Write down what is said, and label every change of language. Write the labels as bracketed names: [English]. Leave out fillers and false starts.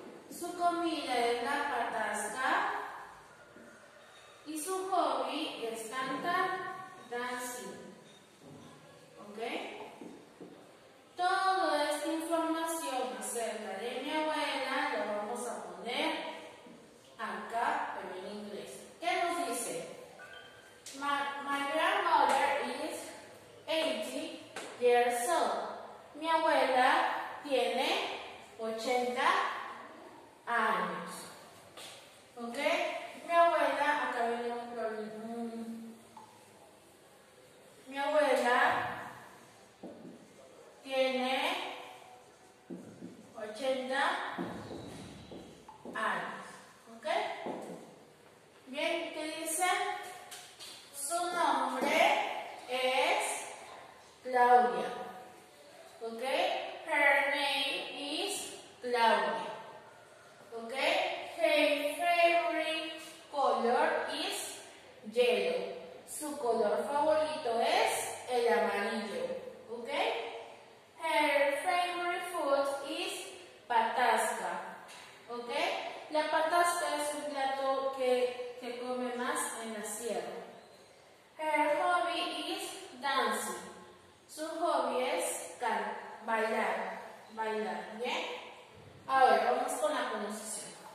[Spanish] Su comida es la patasca. Y su hobby es cantar dancing. ¿Ok? Toda esta información acerca de mi abuela la vamos a poner acá, pero en inglés. ¿Qué nos dice? [English] My grandmother is 80 years old. [Spanish] Mi abuela tiene 80 años. ¿Ok? Mi abuela, acá viene un problema. Mi abuela tiene 80 años. ¿Ok? Bien, ¿qué dice? Su nombre es Claudia. ¿Ok? [English] Her name is Claudia. ¿Ok? Her favorite color is yellow. [Spanish] Su color favorito es el amarillo. ¿Ok? [English] Her favorite food is patasca. [Spanish] ¿Ok? La patasca es un plato que come más en la sierra. [English] Her hobby is dancing. [Spanish] Su hobby es bailar. Bailar, ¿bien? Ahora, vamos con la pronunciación.